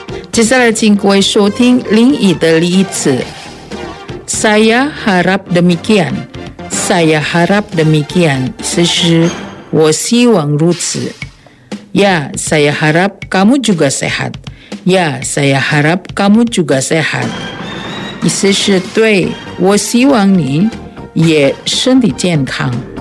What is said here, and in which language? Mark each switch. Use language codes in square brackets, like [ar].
[zh] 接下来请各位收听另一的例子。 [id] Saya harap demikian [zh] 是我希望如此。 [id] Ya, saya harap kamu juga sehat. Ya, saya harap kamu juga sehat. [zh] 意思是对我希望你也身体健康。